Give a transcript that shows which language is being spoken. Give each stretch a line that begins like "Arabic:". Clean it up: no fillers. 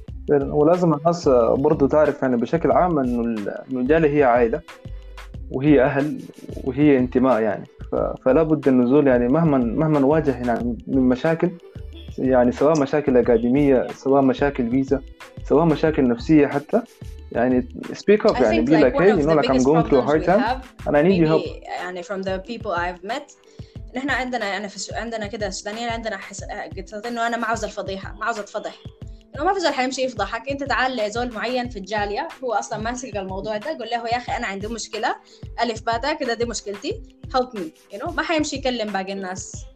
Arabic: ولازم الناس برضو تعرف يعني بشكل عام إنه الجالية هي عائلة وهي أهل وهي انتماء يعني، فلا بد النزول يعني مهما واجه يعني من مشاكل يعني سواء مشاكل أكاديمية سواء مشاكل فيزا سواء مشاكل نفسية حتى يعني
English: speak up
Arabic: يعني
English: be like hey you know like I'm going through a hard time and I need your help.
Arabic: يعني
English: from the people I've met
Arabic: نحن عندنا يعني عندنا كده السودانيين عندنا قلت إنه أنا ما عاوز الفضيحة، ما عاوز أتفضح، إنه ما في زول حيمشي يفضحك. أنت تعال لزول معين في الجالية هو أصلاً ماسك الموضوع ده، قل له يا أخي أنا عندي مشكلة ألف باتا كده دي مشكلتي
English: help me you know،
Arabic: ما حيمشي يكلم باقي الناس.